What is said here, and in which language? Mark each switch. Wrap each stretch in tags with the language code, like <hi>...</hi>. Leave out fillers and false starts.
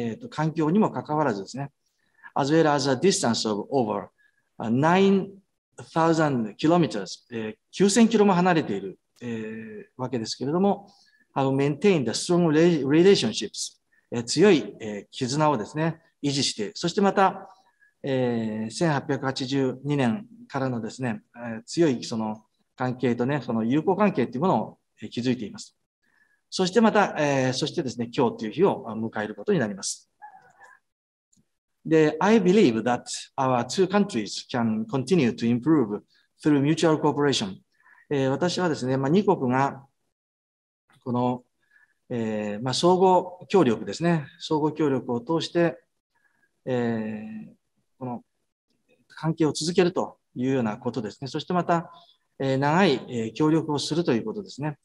<ja>環境にもかかわらずですね、</ja> <en>as well as a distance of over 9,000 kilometers、</en> <ja>9,000 キロも離れている、わけですけれども、</ja> <en>maintain the strong relationships、</en> <ja>強い、絆をですね、維持して、そしてまた、1882年からのですね、強いその関係とね、その友好関係というものを築いています。そしてまた、そしてですね、今日という日を迎えることになります。</ja> <en>で、I believe that our two countries can continue to improve through mutual cooperation.</en> <ja>私はですね、まあ、二国が、この、まあ、相互協力ですね、相互協力を通して、この、関係を続けるというようなことですね。そしてまた、長い協力をするということですね。</ja>